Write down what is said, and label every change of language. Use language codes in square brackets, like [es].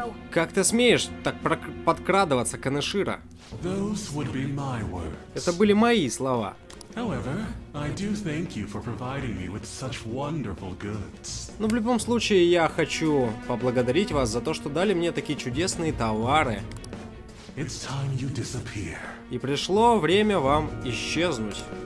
[ru] Как ты смеешь так подкрадываться, Канеширо? Это были мои слова. [en] However, I do thank you for providing me with such wonderful goods. [ru] Но в любом случае я хочу поблагодарить вас за то, что дали мне такие чудесные товары. [en] It's time you disappear. [ru] И пришло время вам исчезнуть.